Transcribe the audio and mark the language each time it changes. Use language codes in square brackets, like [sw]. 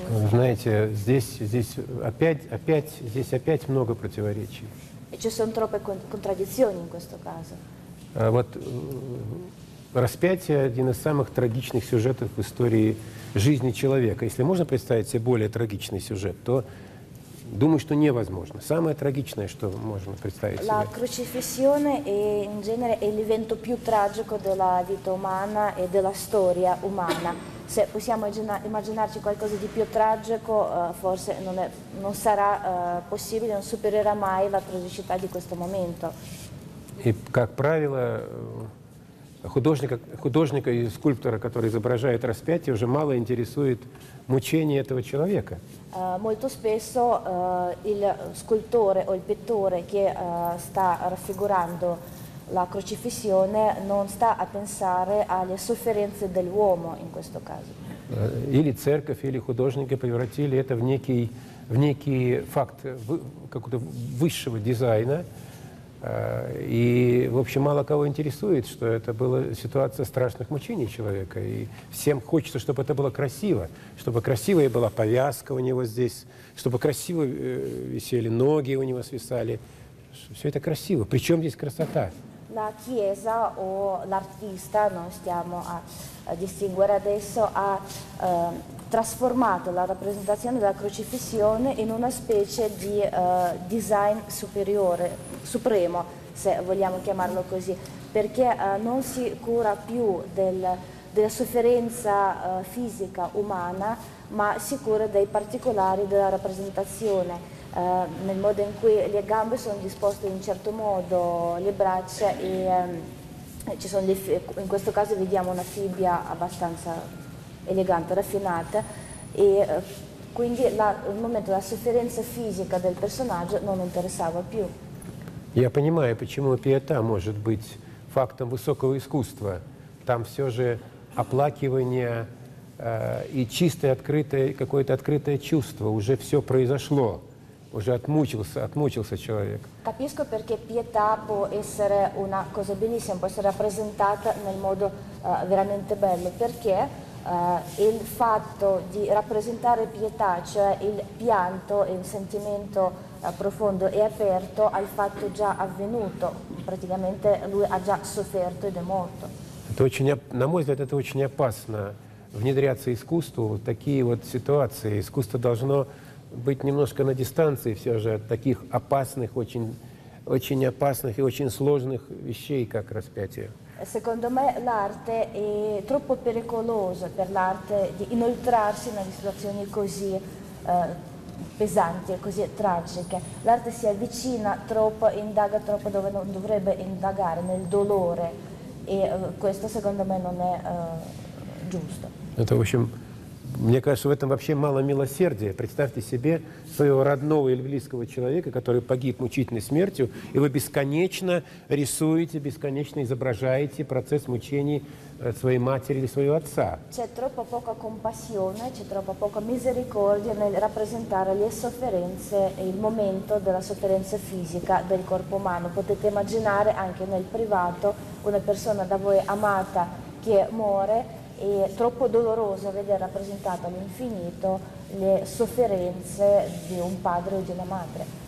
[ru] Знаете, здесь опять много противоречий. [it] E ci sono troppe contraddizioni in questo caso. [ru] Вот распятие – один из самых трагичных сюжетов в истории жизни человека. Если можно представить себе более трагичный сюжет, то думаю, что невозможно. Самое трагичное, что можно представить себе. [it] La crocifissione è in genere è l'evento più tragico della vita umana e della storia umana. Se possiamo immaginarci qualcosa di più tragico, forse non sarà possibile, non supererà mai la tragicità di questo momento. [ru] И, как правило, художника и скульптора, который изображает распятие, уже мало интересует мучение этого человека. [it] Molto spesso il scultore o il pittore che sta raffigurando la crocifissione non sta a pensare alle sofferenze dell'uomo in questo caso. [ru] Или церковь, или художники превратили это в некий факт какого-то высшего дизайна. И, в общем, мало кого интересует, что это была ситуация страшных мучений человека. И всем хочется, чтобы это было красиво, чтобы красивая была повязка у него здесь, чтобы красиво висели ноги у него свисали. Все это красиво. Причем здесь красота? [it] La chiesa o l'artista, non stiamo a distinguere adesso, ha trasformato la rappresentazione della crocifissione in una specie di design superiore, supremo, se vogliamo chiamarlo così, perché non si cura più della sofferenza fisica umana, ma si cura dei particolari della rappresentazione. Nel modo in cui le gambe sono disposte in un certo modo, le braccia, e ci sono in questo caso vediamo una fibbia abbastanza elegante, raffinata, e quindi al momento la sofferenza fisica del personaggio non interessava più. [ru] Я понимаю, почему пиета может быть фактом высокого искусства. Там все же оплакивание и чистое, открытое, какое-то открытое чувство, уже все произошло. Уже отмучился человек. [it] Capisco perché pietà può essere una cosa bellissima, può essere rappresentata nel modo veramente bello, perché il fatto di rappresentare pietà, cioè il pianto e il sentimento profondo e aperto al fatto già avvenuto, praticamente lui ha già sofferto ed è morto. [ru] На мой взгляд, это очень опасно внедряться искусству в такие вот ситуации. Искусство должно быть немножко на дистанции все же от таких опасных, очень, очень опасных и очень сложных вещей, как распятие. [it] Secondo me l'arte è troppo pericolosa per l'arte di inoltrarsi in situazioni così pesanti, così tragiche. L'arte si avvicina troppo, indaga troppo dove non dovrebbe indagare, nel dolore, e questo secondo me non è giusto. [ru] Мне кажется, в этом вообще мало милосердия. Представьте себе своего родного или близкого человека, который погиб мучительной смертью, и вы бесконечно рисуете, бесконечно изображаете процесс мучений своей матери или своего отца. [it] C'è troppo poca compassione, c'è troppo poca misericordia nel rappresentare le sofferenze, il momento della sofferenza fisica del corpo umano. Potete immaginare anche nel privato una persona da voi amata che muore. È troppo doloroso vedere rappresentato all'infinito le sofferenze di un padre o di una madre.